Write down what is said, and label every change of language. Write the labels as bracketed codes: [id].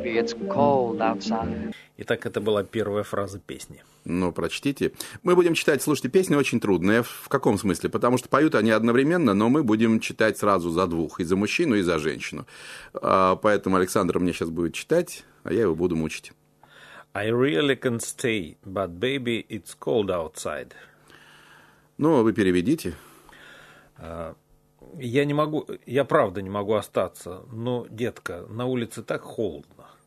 [en] Baby, it's cold outside. [ru] Итак, это была первая фраза песни. Ну, прочтите. Мы будем читать, слушайте, песни очень трудные. В каком смысле? Потому что поют они одновременно, но мы будем читать сразу за двух. И за мужчину, и за женщину. Поэтому Александр мне сейчас будет читать, а я его буду мучить. [en] I really can't stay, but baby, it's cold outside. [ru] Ну, вы переведите. Я не могу, я правда не могу остаться, но, детка, на улице так холодно.